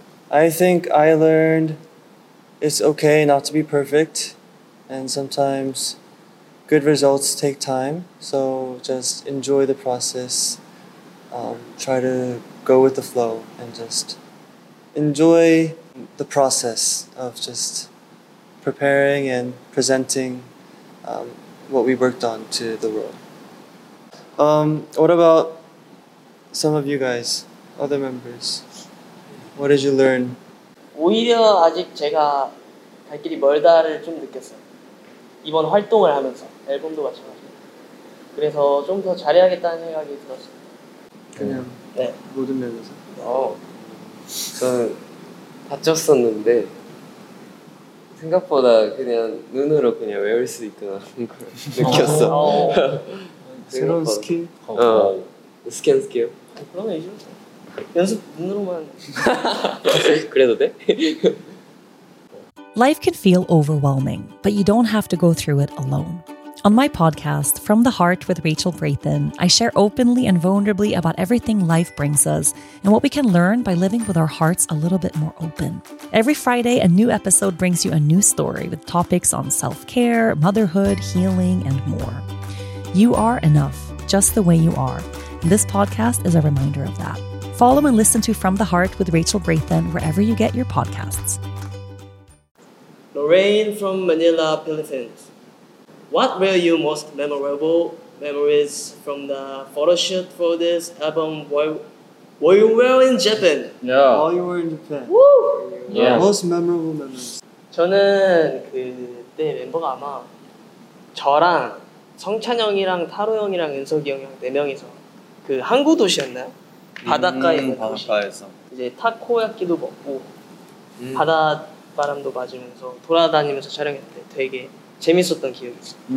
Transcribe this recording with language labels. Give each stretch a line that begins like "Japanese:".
English: I think I learned it's okay not to be perfect, and sometimes good results take time, so just enjoy the process, try to go with the flow, and just enjoy the process of just preparing and presenting what we worked on to the world. What about some of you guys, other members? What did you learn?
Korean: 오히려 아직 제가 갈 길이 멀다를 좀 느꼈어요. 이번 활동을 하면서 앨범도 마찬가지고. 그래서 좀 더 잘해야겠다는 생각이 들었어요. 그냥 네. 모든 면에서. 저는 다쳤었는데 생각보다 그냥 눈으로 그냥 외울 수 있구나 그런 걸 느꼈어. 새로운 스킬? 스캔 스킬? 그러면 이제 연습 눈으로만 그래도 돼?
English: Life can feel overwhelming, but you don't have to go through it alone. On my podcast, From the Heart with Rachel Braithen, I share openly and vulnerably about everything life brings us and what we can learn by living with our hearts a little bit more open. Every Friday, a new episode brings you a new story with topics on self-care, motherhood, healing, and more. You are enough, just the way you are. And this podcast is a reminder of that. Follow and listen to From the Heart with Rachel Braithen wherever you get your podcasts. Lorraine from Manila, Philippines. What were your most memorable memories from the photo shoot for this album while you were in Japan? Yeah. While you were in Japan. Woo! Yes. Most memorable memories.
Korean: 저는 그때 멤버가 아마 저랑 성찬 형이랑 타로 형이랑 은석이 형이랑 네 명이서 그 항구 도시였나요? 바닷가 있는 바닷가에서 도시. 이제 타코야끼도 먹고 바다 바람도 맞으면서 돌아다니면서 촬영했는데 되게 재밌었던 기억이 있어요.